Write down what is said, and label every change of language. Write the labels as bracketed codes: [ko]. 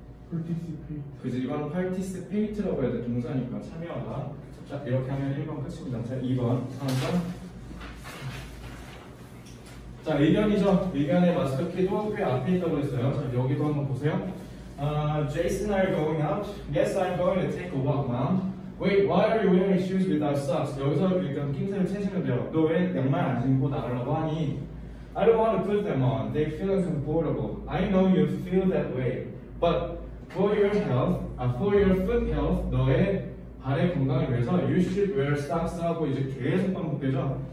[en] participate. [ko] 그지, 이건 participate라고 해야 돼. 동사니까 참여하다. 자, 이렇게 하면 1번 끝입니다. 자, 2번, 3번. 자, 의견이죠. 의견의 마스터 키도 꽤 앞에 있다고 했어요. 자, 여기도 한번 보세요. [en] Jason, are you going out? Yes, I'm going to take a walk, mom. Wait, why are you wearing shoes without socks? [ko] 여기서 일단 낀셈을 채시면 돼요. 너 왜 양말 안 신고 나가려고 하니? [en] I don't want to put them on. They feel uncomfortable. I know you feel that way. But for your health, for your foot health, [ko] 너의 발의 건강을 위해서 [en] you should wear socks [ko] 하고 이제 계속 반복되죠.